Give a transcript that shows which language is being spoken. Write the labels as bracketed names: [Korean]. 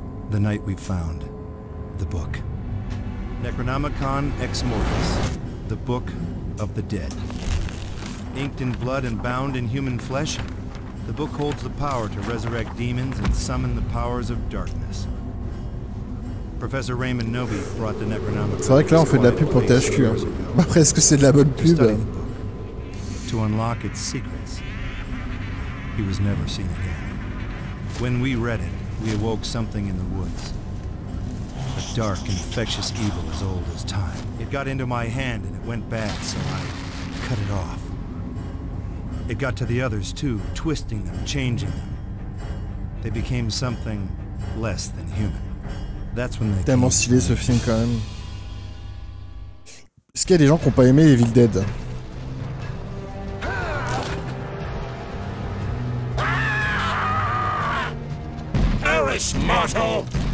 [English] The night we found the book. Necronomicon Ex Mortis, the book of the dead. Inked in blood and bound in human flesh, The book holds the power to resurrect demons and summon the powers of darkness. Professor Raymond Nobe brought the Necronomicon. [French] C'est vrai que là on fait de la pub pour THQ. Hein. Après, est-ce que c'est de la bonne pub? [English] To unlock its secrets. He was never seen again. When we read it, we awoke something in the woods. A dark, infectious evil as old as time. It got into my hand and it went bad, so I cut it off. It got to the others too, twisting them, changing them. They became something less than human. That's when they came. [French] Tellement stylé ce film quand même. Est-ce qu'il y a des gens qui n'ont pas aimé Evil Dead? [English] Perish, mortal!